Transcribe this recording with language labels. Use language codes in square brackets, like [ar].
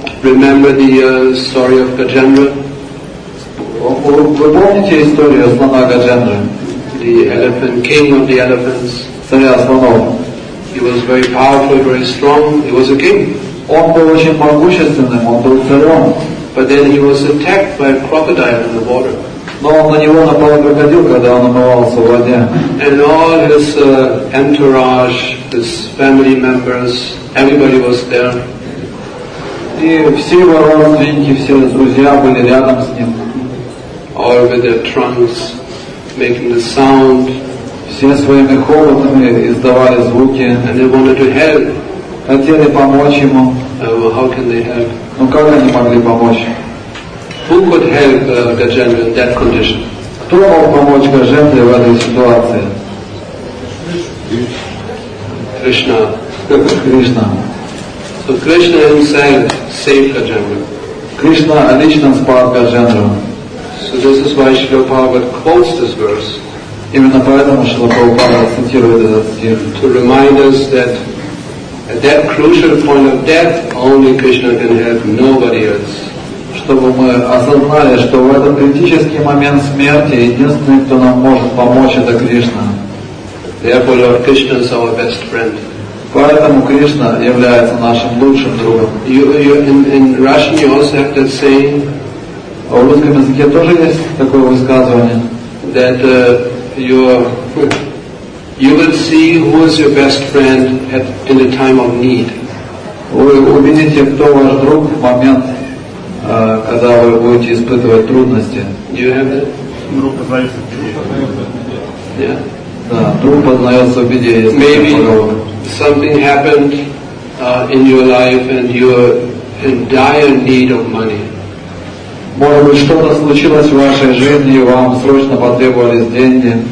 [en] Remember the story of Gajendra? [ru] Вы помните историю слона Гаджендры? [en] The elephant, king of the elephants. [ru] Царя слонов. [en] He was very powerful, very strong. He was a king. [ru] Он был очень могущественным, он был царем. [en] But then he was attacked by a crocodile in the water. [ru] Но он на него напал крокодил, когда он умывался в воде. [en] And all his entourage, his family members, everybody was there. [ru] И все его родственники, все друзья были рядом с ним. [en] All with their trunks, making the sound. [ru] Все своими хоботами издавали звуки. [en] And they wanted to help. [ru] Хотели помочь ему. [en] Well, how can they help? [ru] Ну как они могли помочь? [en] Who could help Gajendra in that condition? [ru] Кто мог помочь Гаджендре в этой ситуации? Кришна. Кришна. [en] So Krishna himself saved Gajendra. [ru] Кришна лично спас Гаджендру. [en] So this is why Śrīla Prabhupāda quotes this verse. [ru] Именно поэтому Śrīla Prabhupāda цитирует этот стих. [en] To remind us that at that crucial point of death, only Krishna can help, nobody else. [ru] Чтобы мы осознали, что в этот критический момент смерти единственный, кто нам может помочь, это Кришна. [en] Therefore, Lord Krishna is our best friend. [ru] Поэтому Кришна является нашим лучшим другом. [en] In Russian, you also have that saying. [ru] А в русском языке тоже есть такое высказывание. [en] That you will see who is your best friend at in the time of need. [ru] Вы увидите, кто ваш друг в момент, когда вы будете испытывать трудности. [en] You have that? [ru] Друг познается в беде. [en] Yeah. [ru] Да, друг познается в беде. [en] Maybe something happened in your life and you are in dire need of money. [ru] Может быть, что-то случилось в вашей жизни, и вам срочно потребовались деньги.